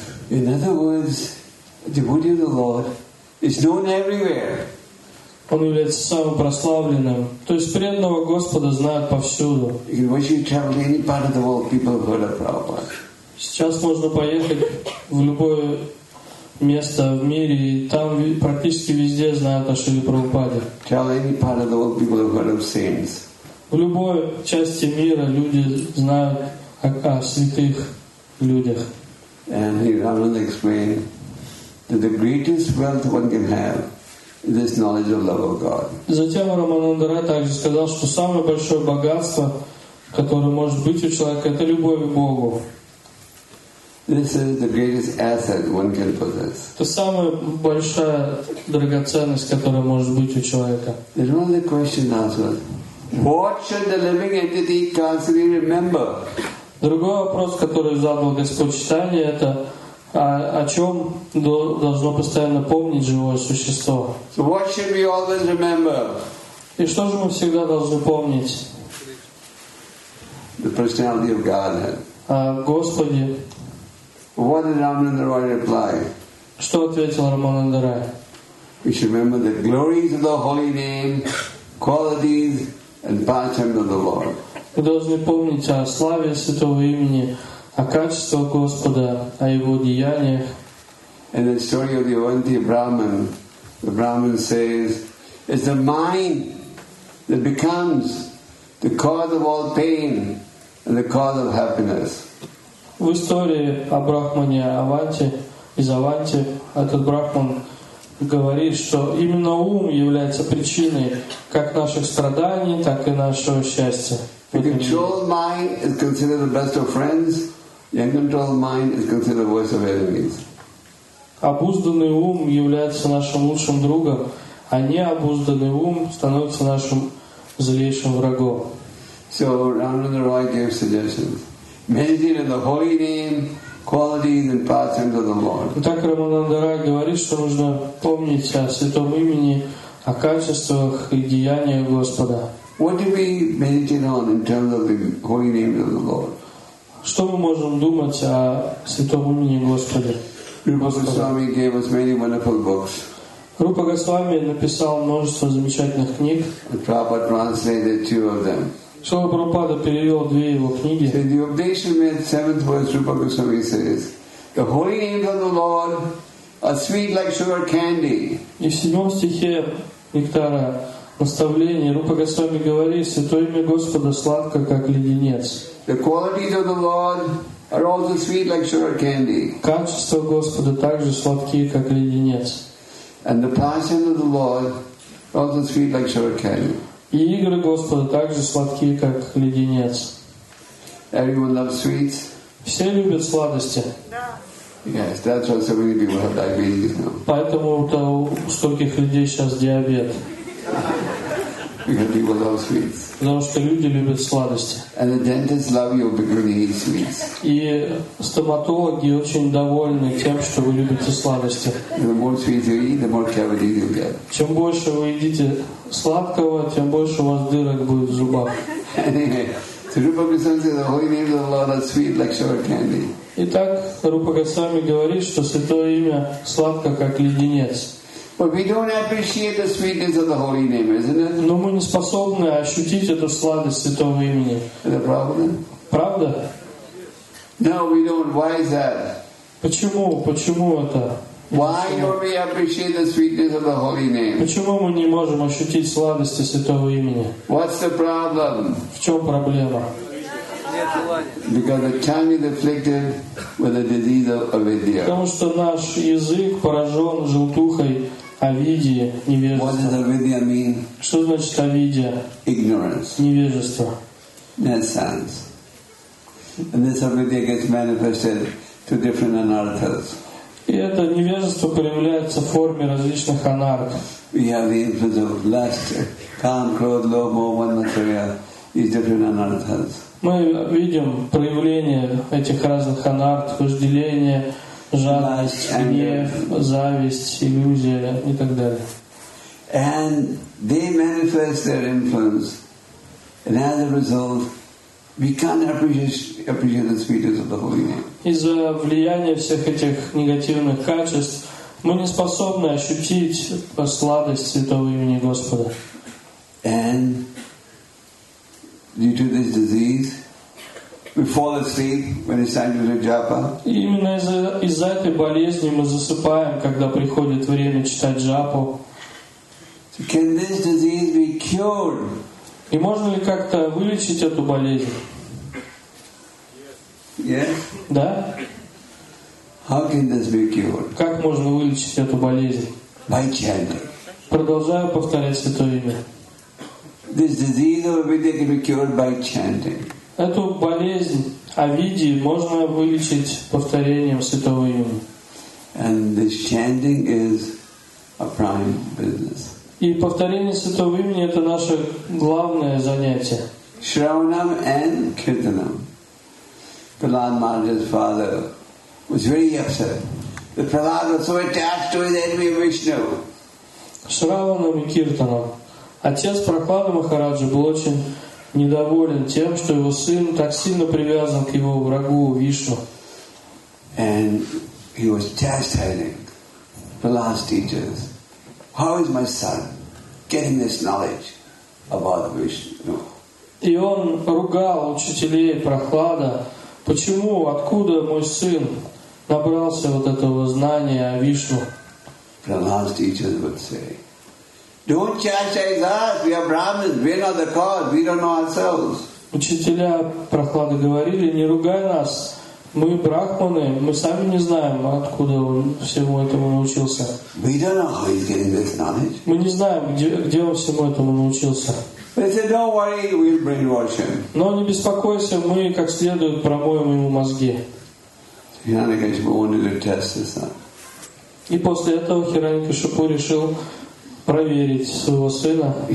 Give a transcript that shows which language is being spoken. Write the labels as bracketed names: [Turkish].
[English] In other words, devotee of the Lord is known everywhere. [Russian] Он является самым прославленным. То есть преданного Господа знают повсюду. [English] In which you travel any part of the world, people have heard of Prabhupada. [Russian] Сейчас можно поехать в любое место в мире, и там практически везде знают о Шриле Прабхупаде. [English] Tell any part of the world, people have heard of saints. [Russian] В любой части мира люди знают о святых людях. [English] And he Ramananda explained that the greatest wealth one can have is this knowledge of love of God. [Russian] Затем Рамананда также сказал, что самое большое богатство, которое может быть у человека, это любовь к Богу. [English] This is the greatest asset one can possess. [Russian] Это самая большая драгоценность, которая может быть у человека. [English] The only question answered. What should the living entity constantly remember? [Russian] Другой вопрос, который задал Господь Читание, это о чем должно постоянно помнить живое существо. [English] So what should we always remember? [Russian] И что же мы всегда должны помнить? [English] The personality of Godhead. [Russian] О Господе. [English] What did Ramananda Roy reply? [Russian] Что ответил Рамананда Рай? [English] We should remember the glories of the holy name, qualities and pastimes of the Lord. [Russian] Мы должны помнить о славе Святого Имени, о качествах Господа, о Его деяниях. [English] In the story of the Avanti Brahman, the Brahman says, it's the mind that becomes the cause of all pain and the cause of happiness. [Russian] В истории о Брахмане Аванти, из Аванти, этот Брахман говорит, что именно ум является причиной как наших страданий, так и нашего счастья. [English] The controlled mind is considered the best of friends. The uncontrolled mind is considered the worst of enemies. [Russian] Обузданный ум является нашим лучшим другом, а необузданный ум становится нашим злейшим врагом. [English] So Ramananda Roy gave suggestions. Meditate on the holy name, qualities, and pastimes of the Lord. [Russian] Так Рамананда Рай говорит, что нужно помнить о Святом Имени, о качествах и деяниях Господа. [English] What do we meditate on in terms of the holy name of the Lord? [Russian] Что мы можем думать о Святом Имени Господа? [English] Rupa Goswami gave us many wonderful books. [Russian] Rupa Goswami написал множество замечательных книг. [English] And Prabhupada translated two of them. [Russian] Шрила Прабхупада перевел две его книги. [English] In the Updation, in the seventh verse, Rupa Goswami says, "The holy names of the Lord are sweet like sugar candy." [Russian] И в седьмом стихе Нектара наставления Рупа Госвами говорит, Святое имя Господа сладко, как леденец. [English] The qualities of the Lord are also sweet like sugar candy. [Russian] Качества Господа также сладкие, как леденец. [English] And the passion of the Lord are also sweet like sugar candy. [Russian] И игры Господа также сладкие, как леденец. [English] Everyone loves sweets. [Russian] Все любят сладости. [English] Yes, that's why so many people have diabetes now. [Russian] Поэтому у стольких людей сейчас диабет. [English] Because people love sweets. [Russian] Потому что люди любят сладости. [English] And the dentists love you because they eat sweets. [Russian] И стоматологи очень довольны тем, что вы любите сладости. [English] The more sweets you eat, the more cavities you get. [Russian] Чем больше вы едите сладкого, тем больше у вас дырок будет в зубах. [English] So Rupa Goswami says the holy name of the Lord is sweet like sugar candy. [Russian] Итак, Рупа Госвами говорит, что Святое имя сладко, как леденец. [English] But we don't appreciate the sweetness of the holy name, isn't it? [Russian] Но мы не способны ощутить эту сладость Святого Имени. [English] Is that [Russian] правда? Правда? [English] No, we don't. Why is that? [Russian] Почему? Почему это? [English] Why don't we appreciate the sweetness of the holy name? [Russian] Почему мы не можем ощутить сладости Святого Имени? [English] What's the problem? [Russian] В чем проблема? [English] Because the tongue is afflicted with the disease of avidya. [Russian] Потому что наш язык поражен желтухой авидии, невежества. [English] What does avidya mean? [Russian] Что значит авидия? [English] Ignorance. [Russian] Невежество. [English] Nonsense. And this avidya gets manifested to different anarthas. [Russian] И это невежество проявляется в форме различных анарх. [English] We have the influence of lust, kam, krodh, lobh, moh, vanmatsarya, these different anarthas. [Russian] Мы видим проявление этих разных анарт, вожделения, жадность, гнев, зависть, иллюзия и так далее. [English] And they manifest their influence. And as a result, we can't appreciate the sweetness of the Holy Name. [Russian] Из-за влияния всех этих негативных качеств мы не способны ощутить сладость Святого Имени Господа. [English] And due to this disease, we fall asleep when it's time to do japa. [Russian] Именно из-за этой болезни мы засыпаем, когда приходит время читать джапу. [English] So can this disease be cured? [Russian] И можно ли как-то вылечить эту болезнь? [English] Yes. [Russian] Да? [English] How can this be cured? [Russian] Как можно вылечить эту болезнь? [English] By chanting. [Russian] Продолжаю повторять Святое Имя. [English] This disease of avidya can be cured by chanting. [Russian] Эту болезнь авидии можно вылечить повторением Святого Имени. [English] And this chanting is a prime business. [Russian] И повторение Святого Имени — это наше главное занятие. [English] Shravanam and Kirtanam. Prahlad Maharaj's father was very upset. The Prahlad was so attached to his enemy Vishnu. [Russian] Shravanam и Kirtanam. Отец Прахлада Махараджа был очень недоволен тем, что его сын так сильно привязан к его врагу Вишну. [English] And he was chastising Prahlad's teachers. How is my son getting this knowledge about Vishnu? [Russian] И он ругал учителей Прахлада, почему, откуда мой сын набрался вот этого знания о Вишну? [English] Prahlad's teachers would say, "Don't chastise us. We are Brahmins. We are not the cause. We don't know ourselves." [Russian] Учителя Прахлада говорили: "Не ругай нас. Мы брахманы, мы сами не знаем, откуда он всему этому научился. [English] We don't know how he's getting this knowledge. [Russian] Мы не знаем, где он всему этому научился." [English] They said, "Don't worry, we'll brainwash him." [Russian] Но не беспокойся, мы как следует промоем ему мозги. [English] Hiranyakashipu wanted to test this. [Russian] И после этого Хираньякашипу решил проверить своего сына.